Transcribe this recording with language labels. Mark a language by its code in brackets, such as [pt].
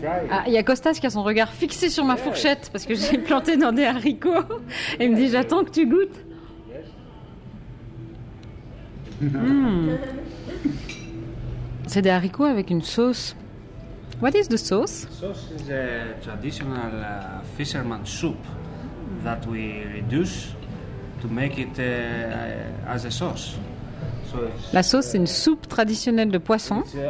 [fr] Ah, il y a Costas qui a son regard fixé sur ma fourchette parce que j'ai planté dans des haricots. Il me dit, j'attends que tu goûtes. Mmh. C'est des haricots avec une sauce. [en] What is the sauce? Sauce is a traditional fisherman soup that we reduce to make it as a sauce. [fr] La sauce, c'est une soupe traditionnelle de poisson.